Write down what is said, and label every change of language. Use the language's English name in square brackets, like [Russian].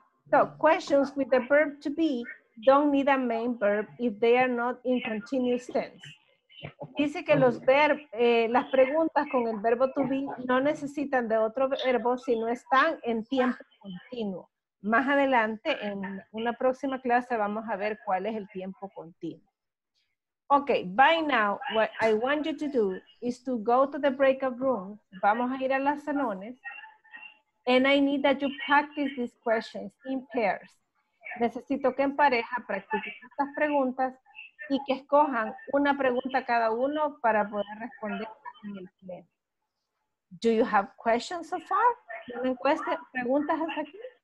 [English] So, questions with the verb to be don't need a main verb if they are not in continuous tense. [Spanish] Dice que los las preguntas con el verbo to be no necesitan de otro verbo si no están en tiempo continuo. Más adelante, en una próxima clase, vamos a ver cuál es el tiempo continuo. [English] Ok, by now, what I want you to do is to go to the breakout room. [Spanish] Vamos a ir a las salones. [English] And I need that you practice these questions in pairs. [Spanish] Necesito que en pareja practiquen estas preguntas y que escojan una pregunta cada uno para poder responder en el pleno. [English] Do you have questions so far? [Spanish] ¿Una encuesta? ¿Preguntas hasta aquí?